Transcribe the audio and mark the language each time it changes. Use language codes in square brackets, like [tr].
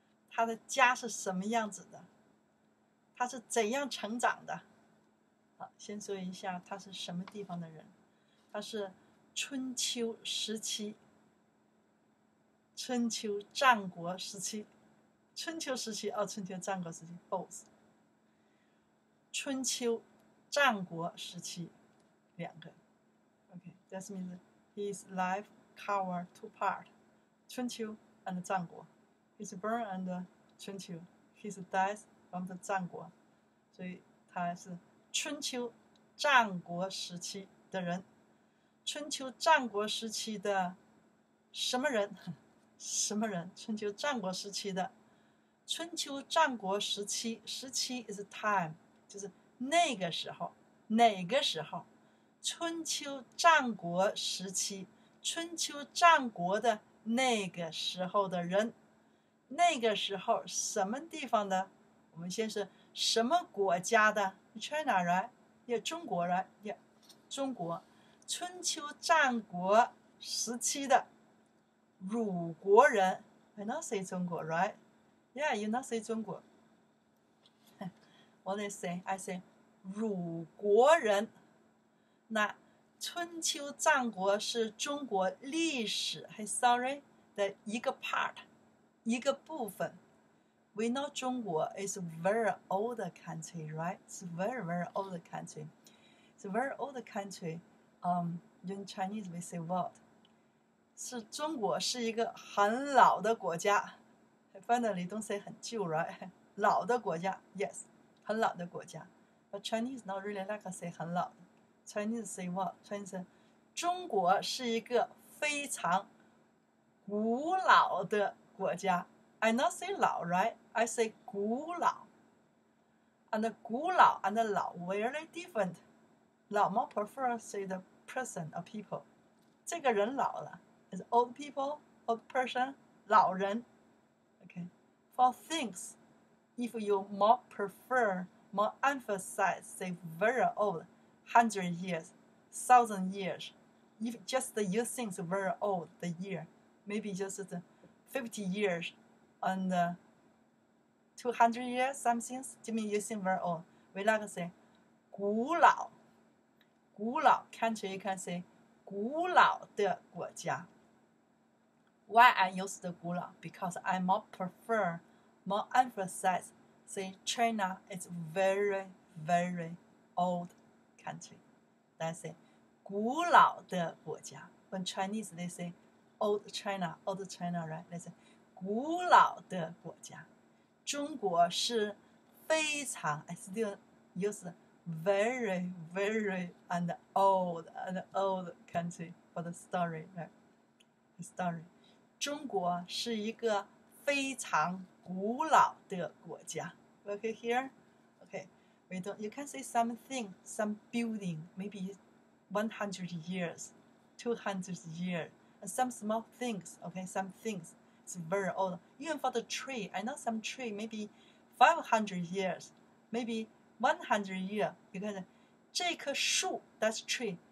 [zh] 他的家是什么样子的？他是怎样成长的？好，先说一下他是什么地方的人，他是。春秋时期，春秋战国时期，春秋时期哦，春秋战国时期 ，both。春秋战国时期，两个 [en] ，OK， that means his life cover two part， 春秋 and 战国 ，his born and 春秋 ，his death from the 战国， [zh] 所以他是春秋战国时期的人。春秋战国时期的什么人？什么人？春秋战国时期的，春秋战国时期，时期 [en] is time， [zh] 就是那个时候，哪个时候？春秋战国时期，春秋战国的那个时候的人，那个时候什么地方的？我们先是什么国家的 ？ [en] China right？ [zh] 也中国 right？ 也中国。春秋战国时期的鲁国人 ， [en] I not say [zh] 中国 ，right? [en] Yeah, you not say 中国。 What they say? I say 鲁国人。 [zh] 那春秋战国是中国历史 ， [en] Hey sorry [zh] 的一个 part， 一个部分。 [en] We know 中国 is very old country, right? It's very very old country. It's a very old country. In Chinese, we say what? [zh] 是中国是一个很老的国家。 [en] Finally, don't say 很旧 right? [zh] 老的国家 ，yes， 很老的国家。 [en] But Chinese not really like to say 很老的。 Chinese say what? Chinese say [zh] 中国是一个非常古老的国家。 [en] I not say 老 right? I say 古老。 And 古老 and 老 where they different? 老 more prefer say the person or people， [zh] 这个人老了 [en] ，is old people, old person， 老人 ，OK。 For things， if you more prefer, more emphasize, say very old, hundred years, thousand years， if just you think it's very old the year， maybe just the 50 years and 200 years something， 就 mean you think very old。 We like to say 古老。 古老 country you can say [zh] 古老的国家。 [en] Why I use the 古老 Because I more prefer, more emphasize, say China is very, very old country. That's it. [zh] 古老的国家。 [en] When Chinese they say old China, right? They say [zh] 古老的国家。中国是非常 [en] I still use very, very and old country for the story, right? The story. [zh] 中国是一个非常古老的国家。 [en] Okay, here? Okay. We don't, you can say something, some building, maybe 100 years, 200 years, and some small things, okay, some things. It's very old. Even for the tree, I know some tree, maybe 500 years, maybe 100 years, you can say, [zh] 这棵树, [en] that's tree,